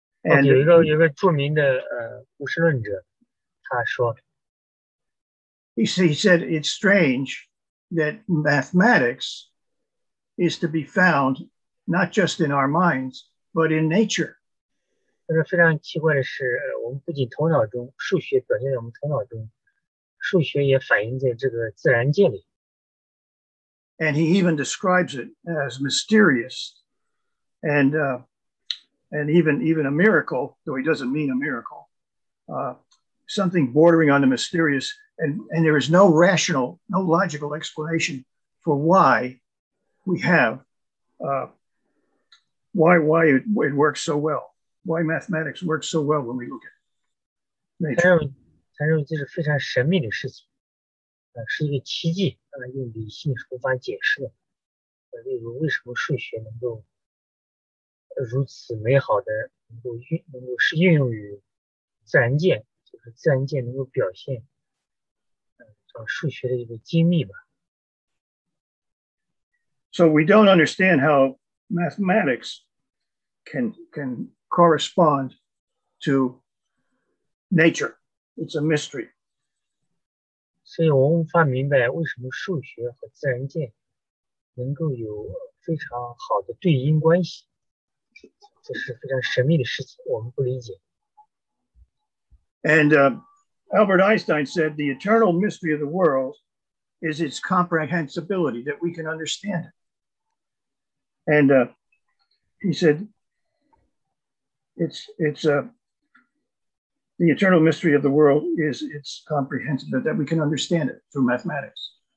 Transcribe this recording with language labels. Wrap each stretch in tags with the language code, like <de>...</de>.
<zh>And 有一个著名的无神论者，他说。</zh> <en>He said it's strange that mathematics is to be found not just in our minds but in nature.</en> <zh>他说非常奇怪的是，我们不仅头脑中数学表现在我们头脑中，数学也反映在这个自然界里。</zh> <en>And he even describes it as mysterious, and even a miracle, though he doesn't mean a miracle, something bordering on the mysterious. And there is no rational, no logical explanation for why we have, why it works so well, why mathematics works so well when we look at nature.</en> <zh>他认为这是非常神秘的事情，是一个奇迹，用理性是无法解释的。例如，为什么数学能够如此美好的能够是应用于自然界，就是自然界能够表现。数学的一个精密吧。</zh> <en>So we don't understand how mathematics can correspond to nature. It's a mystery.</en> <zh>所以我无法明白为什么数学和自然界能够有非常好的对应关系。这是非常神秘的事情，我们不理解。</zh> <en>Albert Einstein said, the eternal mystery of the world is its comprehensibility, that we can understand it. And he said, the eternal mystery of the world is its comprehensibility, that we can understand it through mathematics.</en>